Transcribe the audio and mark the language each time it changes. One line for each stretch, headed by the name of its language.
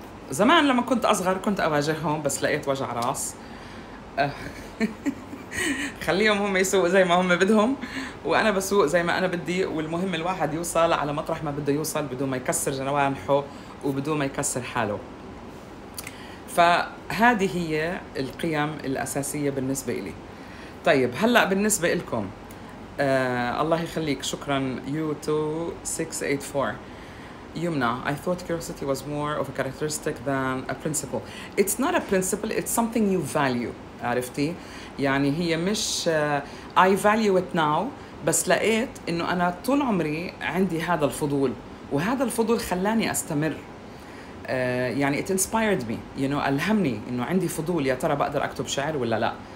Arabic: زمان لما كنت أصغر كنت أواجههم، بس لقيت وجع راس خليهم هم يسوق زي ما هم بدهم، وأنا بسوق زي ما أنا بدي، والمهم الواحد يوصل على مطرح ما بده يوصل بدون ما يكسر جوانحه وبدون ما يكسر حاله. فهذه هي القيم الأساسية بالنسبة إلي. طيب هلأ بالنسبة إلكم، الله يخليك، شكرا U2684 يمنى.
English: I thought curiosity was more of a characteristic than a principle. It's not a principle, it's something you value.
Arabic: عرفتي؟ يعني هي مش
English: I value it now،
Arabic: بس لقيت انه انا طول عمري عندي هذا الفضول، وهذا الفضول خلاني استمر. يعني
English: it inspired me، you know،
Arabic: ألهمني انه عندي فضول يا ترى بقدر اكتب شعر ولا لا.